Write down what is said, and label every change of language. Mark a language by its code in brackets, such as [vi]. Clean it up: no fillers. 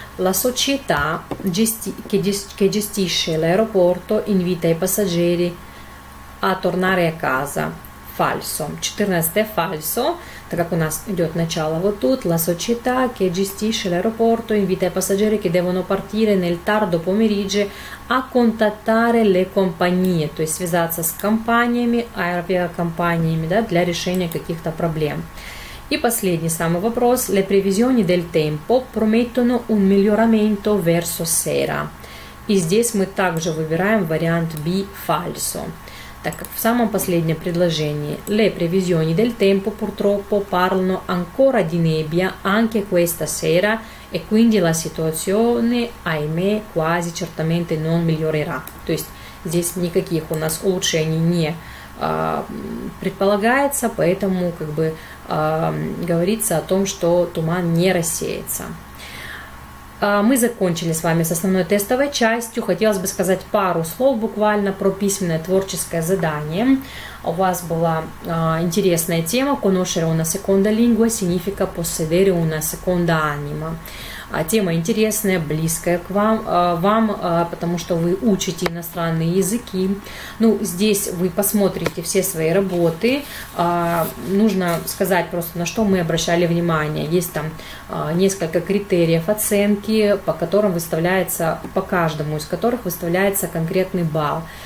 [it] La società che gestisce l'aeroporto invita i passaggeri a tornare a casa. Falso. [ru] 14 falso, так как у нас идет начало вот тут. [it] La società che gestisce l'aeroporto invita i passaggeri che devono partire nel tardo pomeriggio a contattare le compagnie, [ru] то есть связаться с компаниями, авиакомпаниями, да, для решения каких-то проблем. И последний самый вопрос. [it] Le previsioni del tempo promettono un miglioramento verso sera. [ru] И здесь мы также выбираем вариант B, falso. Так как в самом последнем предложении [it] «Le previsioni del tempo purtroppo parlano ancora di nebbia anche questa sera e quindi la situazione, ahimè, quasi certamente non migliorerà». [ru] То есть здесь никаких у нас улучшений не предполагается, поэтому как бы говорится о том, что туман не рассеется. Мы закончили с вами с основной тестовой частью. Хотелось бы сказать пару слов буквально про письменное творческое задание. У вас была интересная тема [it] «Conoscere una seconda lingua significa possedere una seconda anima». [ru] Тема интересная, близкая к вам, потому что вы учите иностранные языки. Ну, здесь вы посмотрите все свои работы. Нужно сказать просто, на что мы обращали внимание. Есть там несколько критериев оценки, по которым выставляется, по каждому из которых выставляется конкретный балл.